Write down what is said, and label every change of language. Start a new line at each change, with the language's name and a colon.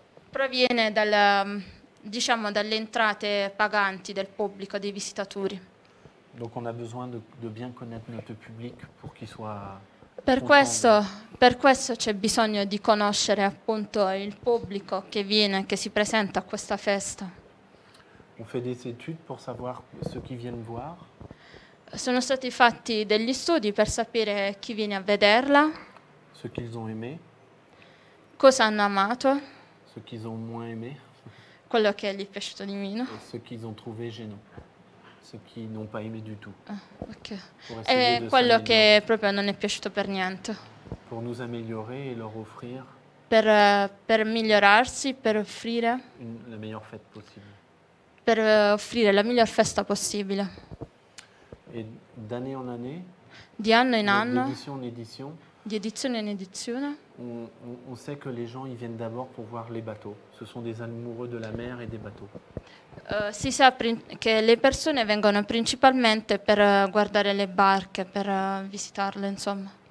Italian: Proviene dalla diciamo dalle entrate paganti del pubblico, dei visitatori.
French: Donc on a besoin de bien connaître notre public pour qu'il soit
Italian: per questo c'è bisogno di conoscere appunto il pubblico che viene, che si presenta a questa festa.
French: On fait des études pour savoir ceux qui viennent voir.
Italian: Sono stati fatti degli studi per sapere chi viene a vederla.
French: Ce qu'ils ont aimé.
Italian: Cosa hanno amato.
French: Ce qu'ils ont moins aimé.
Italian: Quello che gli è piaciuto di meno.
French: Ce qu'ils ont trouvé gênant. Ce qu'ils n'ont pas aimé du tout. Ah, ok.
Italian: E quello che proprio non è piaciuto per niente.
French: Pour nous améliorer et leur offrir.
Italian: Per migliorarsi, per offrire.
French: La meilleure fête possible.
Italian: Per offrire la miglior festa possibile.
French: Et d'année en année.
Italian: Di anno in anno.
French: D'édition en édition.
Italian: Di edizione in edizione.
French: On sait que les gens y viennent d'abord pour voir les bateaux. Ce sont des amoureux de la mer et des bateaux.
Italian: Si sa che le persone vengono principalmente per guardare le barche, per visitarle, insomma.